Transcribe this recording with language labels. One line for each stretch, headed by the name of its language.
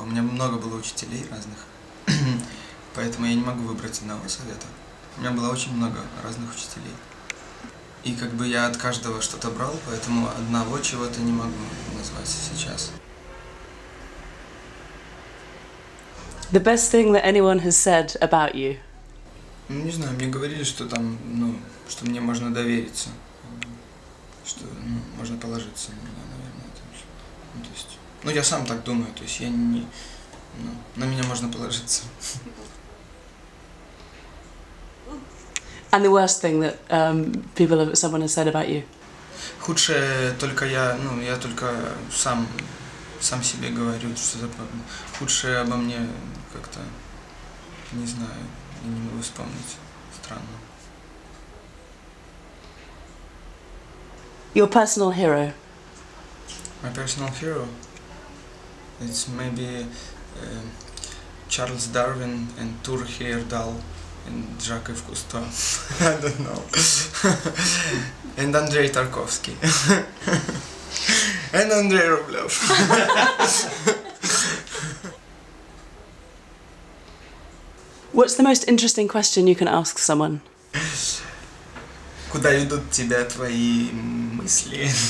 Russian: У меня много было учителей разных. Поэтому я не могу выбрать одного совета. У меня было очень много разных учителей. И как бы я от каждого что-то брал, поэтому одного чего-то не могу назвать сейчас.
English: The best thing that anyone has said about you.
Russian: Ну, не знаю, мне говорили, что там, ну, что мне можно довериться. Что, ну, можно положиться на меня, наверное, там всё. Ну, то есть... Ну, я сам так думаю, то есть я не... Ну, на меня можно положиться.
English: And the worst thing that people have, someone has said about you?
Russian: Худшее только я, ну, я только сам себе говорю, что за проблема. Худшее обо мне как-то, не знаю, я не могу вспомнить, странно.
English: Your personal hero? My personal hero? It's maybe Charles Darwin and Tor Heyerdahl and Jacques Cousteau. I don't know. And Andrei Tarkovsky. And Andrei Rublev. What's the most interesting question you can ask someone?
Russian: Куда идут тебя твои мысли?